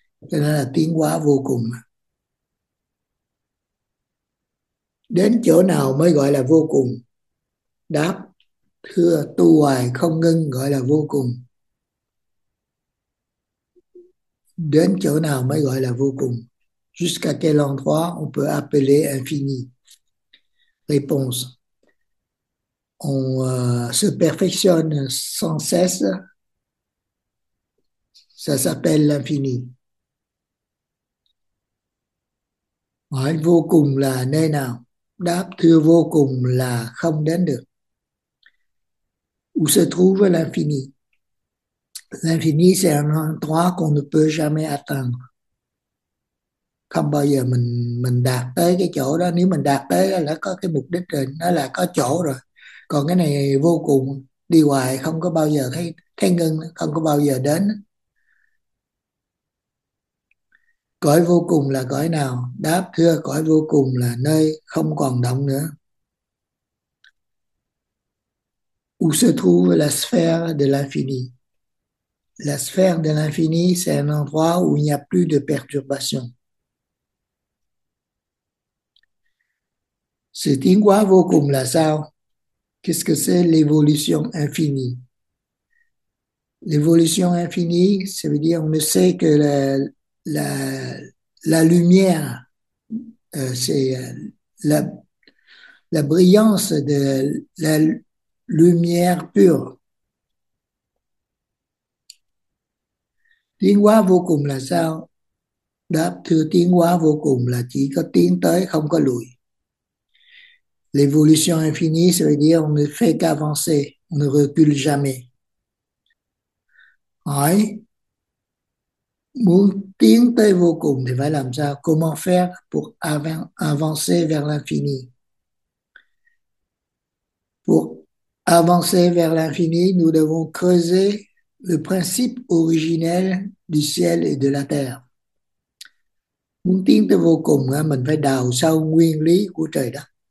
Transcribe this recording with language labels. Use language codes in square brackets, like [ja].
[vi] Cho nên là tiến hóa vô cùng. Đến chỗ nào mới gọi là vô cùng? Đáp, thưa tu hoài không ngưng gọi là vô cùng. Đến chỗ nào mới gọi là vô cùng? [fr] Jusqu'à quel endroit on peut appeler infini? Réponse. On se perfectionne sans cesse. Ça s'appelle l'infini. [vi] Hỏi vô cùng là nơi nào? Đáp thưa vô cùng là không đến được. [fr] Où se trouve l'infini? L'infini, c'est un endroit qu'on ne peut jamais atteindre. [vi] Không bao giờ mình đạt tới cái chỗ đó. Nếu mình đạt tới đó là có cái mục đích rồi, nó là có chỗ rồi. Còn cái này vô cùng, đi hoài không có bao giờ thấy thấy ngưng, không có bao giờ đến. Cõi vô cùng là cõi nào? Đáp thưa cõi vô cùng là nơi không còn động nữa. [fr] Où se trouve la sphère de l'infini? La sphère de l'infini, c'est un endroit où il n'y a plus de perturbation. [vi] Sự tiến hóa vô cùng là sao? [fr] Qu'est-ce que c'est l'évolution infinie? L'évolution infinie, ça veut dire on ne sait que la lumière, c'est la brillance de la lumière pure. [vi] Tiến hóa vô cùng là sao? Đáp thưa tiến hóa vô cùng là chỉ có tiến tới không có lùi. [fr] L'évolution infinie, ça veut dire on ne fait qu'avancer, on ne recule jamais. [vi] Hỏi, muốn tiến tới vô cùng thì phải làm sao? [fr] Comment faire pour avancer vers l'infini? Pour avancer vers l'infini, nous devons creuser le principe originel du ciel et de la terre. [vi] Muốn tiến tới vô cùng, mình phải đào sâu nguyên lý của trời đất.